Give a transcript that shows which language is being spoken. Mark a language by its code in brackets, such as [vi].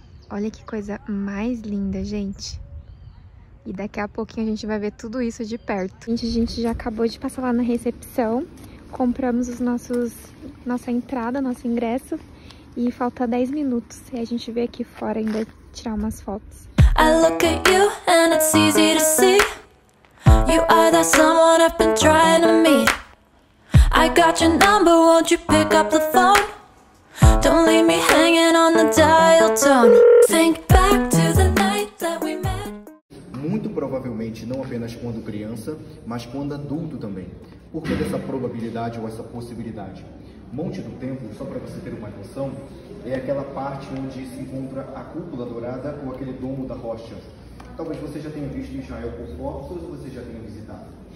[pt] Olha que coisa mais linda, gente. E daqui a pouquinho a gente vai ver tudo isso de perto. A gente já acabou de passar lá na recepção. Compramos nossa entrada, nosso ingresso. E falta 10 minutos. E a gente veio aqui fora ainda tirar umas fotos. [en] I look at you and it's easy to see. You are the someone I've been trying to meet. I got your number, won't you pick up the phone? Don't leave me hanging on the dial tone. Think back to the night that we met. [pt] Muito provavelmente, não apenas quando criança, mas quando adulto também. Por que dessa probabilidade ou essa possibilidade? Monte do Templo, só para você ter uma noção, é aquela parte onde se encontra a cúpula dourada ou aquele domo da rocha. Talvez você já tenha visto em Israel por fotos ou você já tenha visitado.